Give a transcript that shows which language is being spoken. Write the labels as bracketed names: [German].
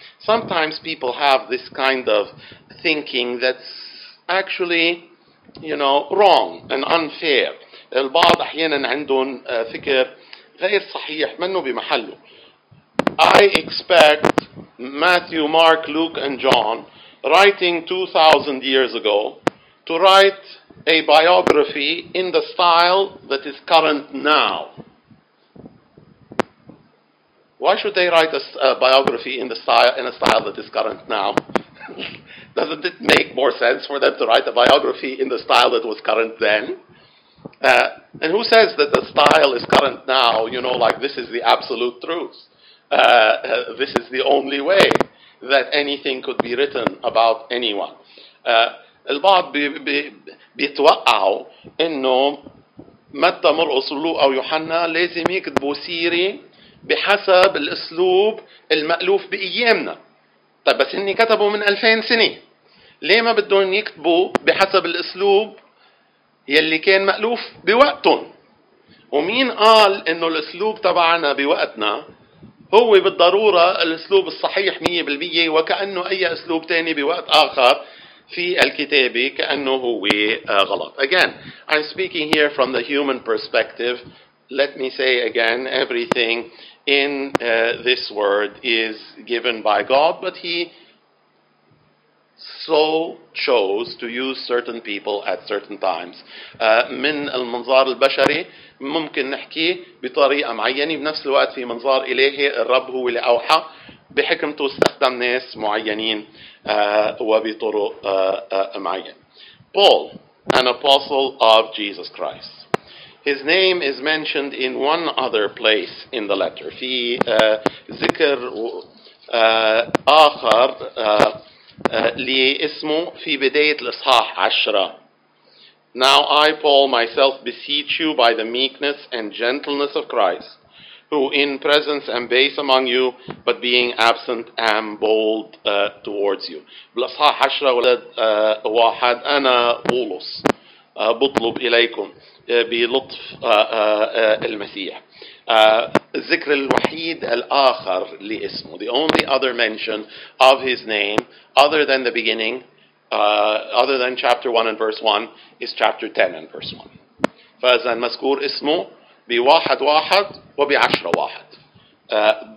[English] Sometimes people have this kind of thinking that's actually, you know, wrong and unfair. [Arabic] البعض أحيانا عندهم فكر غير صحيح منه بمحله. [English] I expect Matthew, Mark, Luke and John writing 2,000 years ago to write a biography in the style that is current now. Why should they write a biography in the style in a style that is current now? Doesn't it make more sense for them to write a biography in the style that was current then? And who says that the style is current now, you know, like this is the absolute truth? This is the only way that anything could be written about anyone. [Arabic] البعض بيتوقعوا انه متى مرقس ولوقا ويوحنا لازم يكتبوا سيري بحسب الاسلوب المألوف بايامنا. طيب بس هني كتبوا من 2000 سنة. ليه ما بدهم يكتبوا بحسب الاسلوب يلي كان مألوف بوقتهم؟ ومين قال انه الاسلوب تبعنا بوقتنا هو بالضرورة الأسلوب الصحيح 100% وكأنه أي أسلوب تاني بوقت آخر في الكتاب كأنه هو غلط. [English] Again, I'm speaking here from the human perspective. Let me say again, everything in this word is given by God, but He so chose to use certain people at certain times. [Arabic] من المنظار البشري ممكن نحكي بطريقة معينة بنفس الوقت في منظار إلهي الرب هو اللي أوحى بحكمته استخدم ناس معينين وبطرق معينة. [English] Paul, an apostle of Jesus Christ. His name is mentioned in one other place in the letter. [Arabic] في ذكر آخر لإسمه في بداية الإصحاح عشرة. [English] Now I, Paul, myself beseech you by the meekness and gentleness of Christ, who in presence am base among you, but being absent am bold towards you. [Arabic] بالإصحاح عشرة ولد واحد أنا بولس بطلب إليكم بلطف المسيح. الذكر الوحيد الآخر لإسمه. [English] The only other mention of his name, other than the beginning, other than chapter 1 and verse 1, is chapter 10 and verse 1. [Arabic] فإذن مذكور اسمه بواحد واحد وبعشرة واحد.